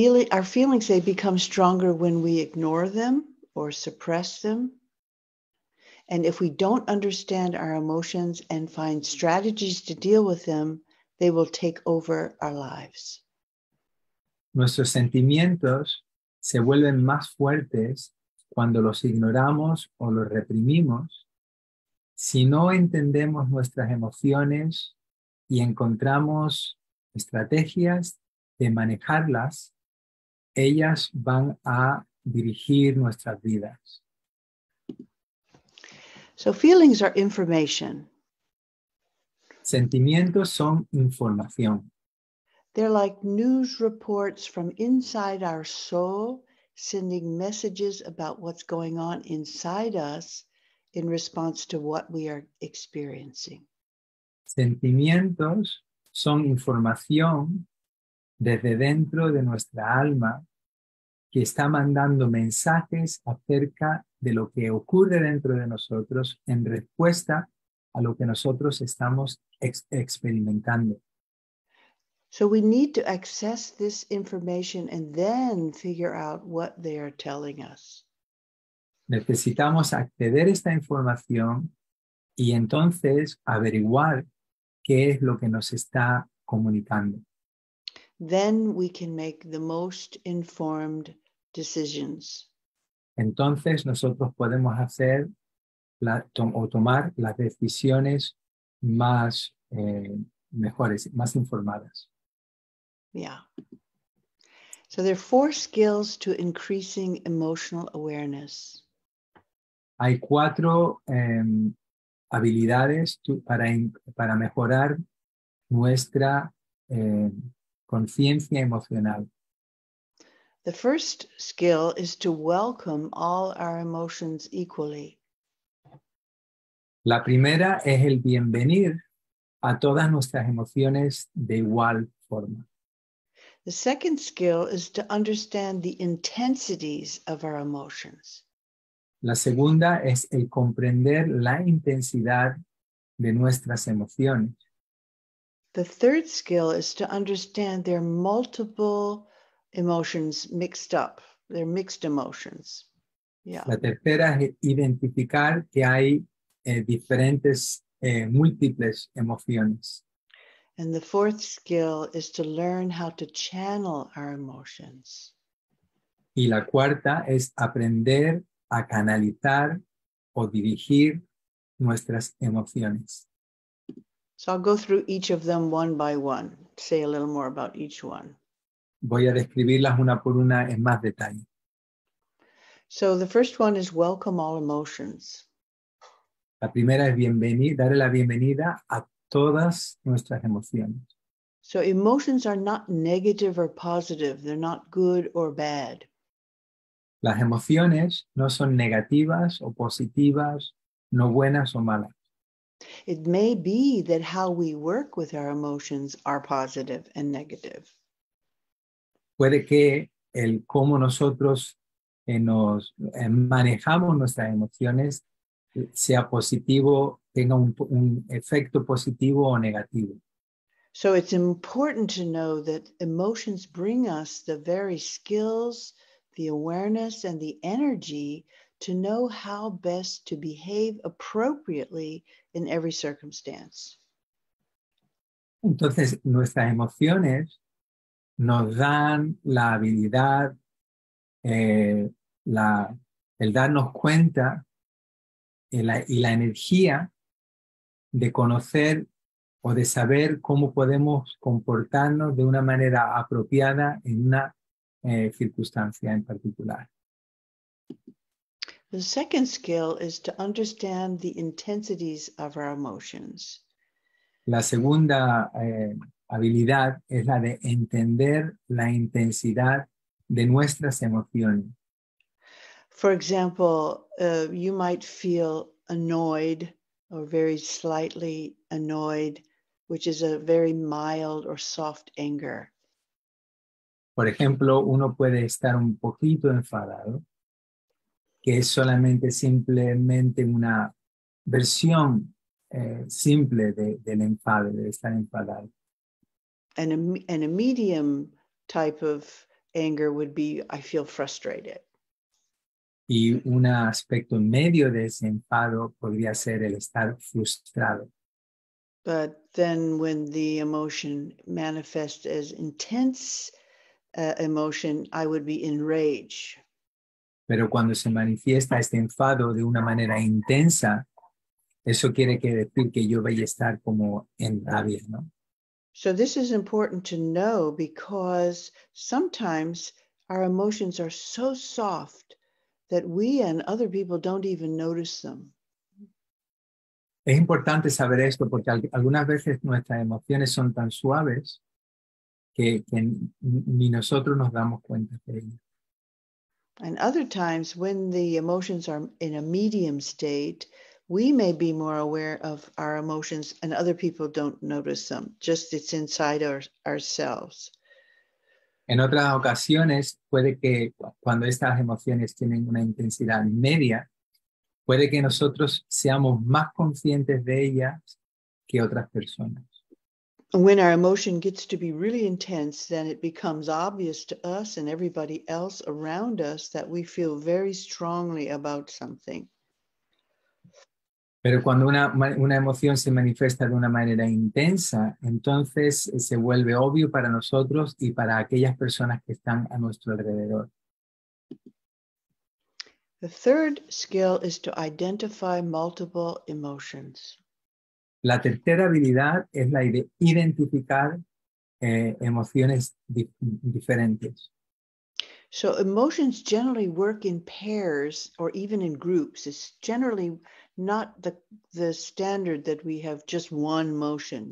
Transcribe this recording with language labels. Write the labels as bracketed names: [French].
[English] Our feelings, they become stronger when we ignore them or suppress them. And if we don't understand our emotions and find strategies to deal with them, they will take over our lives. [Spanish] Nuestros sentimientos se vuelven más fuertes cuando los ignoramos o los reprimimos. Si no entendemos nuestras emociones y encontramos estrategias de manejarlas, ellas van a dirigir nuestras vidas. [English] So feelings are information. [Spanish] Sentimientos son información. [English] They're like news reports from inside our soul, sending messages about what's going on inside us in response to what we are experiencing. [Spanish] Sentimientos son información desde dentro de nuestra alma que está mandando mensajes acerca de lo que ocurre dentro de nosotros en respuesta a lo que nosotros estamos experimentando. [English] So we need to access this information and then figure out what they are telling us. [Spanish] Necesitamos acceder a esta información y entonces averiguar qué es lo que nos está comunicando. [English] Then we can make the most informed decisions. [Spanish] Entonces nosotros podemos hacer tomar las decisiones más mejores, más informadas. [English] Yeah. So there are four skills to increasing emotional awareness. [Spanish] Hay cuatro habilidades para mejorar nuestra conciencia emocional. [English] The first skill is to welcome all our emotions equally. [Spanish] La primera es el bienvenir a todas nuestras emociones de igual forma. [English] The second skill is to understand the intensities of our emotions. [Spanish] La segunda es el comprender la intensidad de nuestras emociones. [English] The third skill is to understand their multiple emotions mixed up, their mixed emotions. Yeah. [Spanish] La tercera es identificar que hay diferentes múltiples emociones. [English] And the fourth skill is to learn how to channel our emotions. [Spanish] Y la cuarta es aprender a canalizar o dirigir nuestras emociones. [English] So I'll go through each of them one by one, say a little more about each one. [Spanish] Voy a describirlas una por una en más detalle. [English] So the first one is welcome all emotions. [Spanish] La primera es darle la bienvenida a todas nuestras emociones. [English] So emotions are not negative or positive. They're not good or bad. [Spanish] Las emociones no son negativas o positivas, no buenas o malas. [English] It may be that how we work with our emotions are positive and negative. [Spanish] Puede que el cómo nosotros nos manejamos nuestras emociones sea positivo, tenga un efecto positivo o negativo. [English] So it's important to know that emotions bring us the very skills, the awareness, and the energy to know how best to behave appropriately in every circumstance. [Spanish] Entonces, nuestras emociones nos dan la habilidad, el darnos cuenta y la energía de conocer o de saber cómo podemos comportarnos de una manera apropiada en una circunstancia en particular. [English] The second skill is to understand the intensities of our emotions. [Spanish] La segunda habilidad es la de entender la intensidad de nuestras emociones. [English] For example, you might feel annoyed or very slightly annoyed, which is a very mild or soft anger. [Spanish] Por ejemplo, uno puede estar un poquito enfadado, que es simplemente una versión simple del enfado, de estar enfadado. [English] And a medium type of anger would be, I feel frustrated. [Spanish] Y un aspecto medio de ese enfado podría ser el estar frustrado. [English] But then when the emotion manifests as intense emotion, I would be enraged. [Spanish] Pero cuando se manifiesta este enfado de una manera intensa, eso quiere decir que yo vaya a estar como en rabia, ¿no? [English] So this is important to know because sometimes our emotions are so soft that we and other people don't even notice them. [Spanish] Es importante saber esto porque algunas veces nuestras emociones son tan suaves que ni nosotros nos damos cuenta de ello. [English] And other times when the emotions are in a medium state, we may be more aware of our emotions and other people don't notice them. Just it's inside ourselves. [Spanish] En otras ocasiones, puede que cuando estas emociones tienen una intensidad media, puede que nosotros seamos más conscientes de ellas que otras personas. [English] When our emotion gets to be really intense, then it becomes obvious to us and everybody else around us that we feel very strongly about something. [Spanish] Pero cuando una emoción se manifiesta de una manera intensa, entonces se vuelve obvio para nosotros y para aquellas personas que están a nuestro alrededor. [English] The third skill is to identify multiple emotions. [Spanish] La tercera habilidad es la de identificar emociones diferentes. [English] So emotions generally work in pairs or even in groups. It's generally not the standard that we have just one emotion.